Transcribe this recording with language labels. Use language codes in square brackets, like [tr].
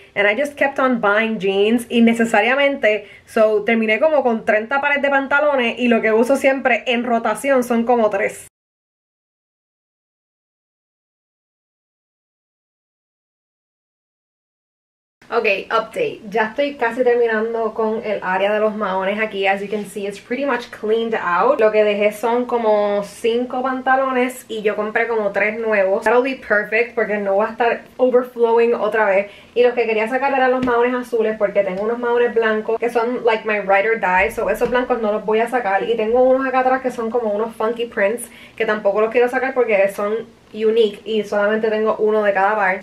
[en] And I just kept on buying jeans [es] innecesariamente. So terminé como con 30 pares de pantalones y lo que uso siempre en rotación son como 3. [en] Ok, update. [es] Ya estoy casi terminando con el área de los mahones aquí. [en] As you can see, it's pretty much cleaned out. [es] Lo que dejé son como 5 pantalones y yo compré como 3 nuevos. [en] That'll be perfect [es] porque no va a estar overflowing otra vez. Y los que quería sacar eran los mahones azules porque tengo unos mahones blancos que son [en] like my ride or die. [es] So esos blancos no los voy a sacar. Y tengo unos acá atrás que son como unos [en] funky prints [es] que tampoco los quiero sacar porque son unique y solamente tengo uno de cada par.